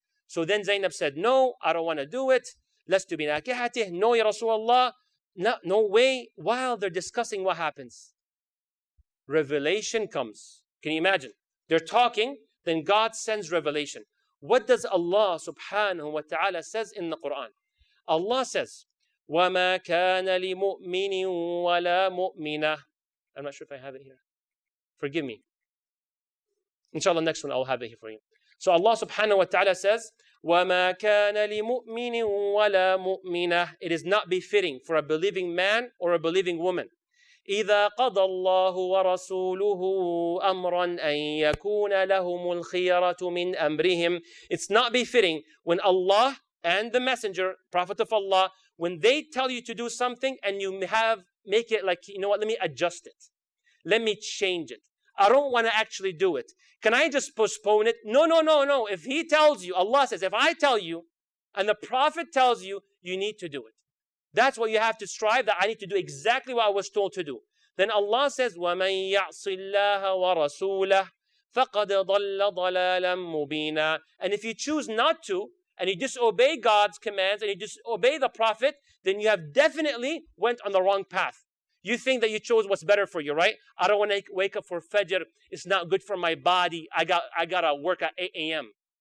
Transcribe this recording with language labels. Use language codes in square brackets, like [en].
[en] So then Zainab said, no, I don't want to do it. [ar] Lest tu bi nakihatih. [en] No, Ya Rasulullah. No way. While they're discussing what happens, revelation comes. Can you imagine? They're talking. Then God sends revelation. What does Allah subhanahu wa ta'ala says in the Quran? Allah says, [ar] وَمَا كَانَ لِمُؤْمِنٍ وَلَا مُؤْمِنَةٍ. [en] I'm not sure if I have it here. Forgive me. Inshallah, next one I'll have it here for you. So Allah subhanahu wa ta'ala says, [ar] وَمَا كَانَ لِمُؤْمِنٍ وَلَا مُؤْمِنَةٍ. [en] It is not befitting for a believing man or a believing woman. [ar] إِذَا قَضَى اللَّهُ وَرَسُولُهُ أَمْرًا أَن يَكُونَ لَهُمُ الْخِيَرَةُ مِنْ أَمْرِهِمْ. [en] It's not befitting when Allah and the Messenger, Prophet of Allah, when they tell you to do something and you make it like, you know what, let me adjust it. Let me change it. I don't want to actually do it. Can I just postpone it? No. If he tells you, Allah says, if I tell you and the Prophet tells you, you need to do it. That's what you have to strive, that I need to do exactly what I was told to do. Then Allah says, [ar] وَمَن يَعْصِ اللَّهَ وَرَسُولَهُ فَقَدْ ضَلَّ ضَلَالًا مُبِينًا. [en] And if you choose not to, and you disobey God's commands, and you disobey the Prophet, then you have definitely went on the wrong path. You think that you chose what's better for you, right? I don't want to wake up for Fajr. It's not good for my body. I got to work at 8 a.m.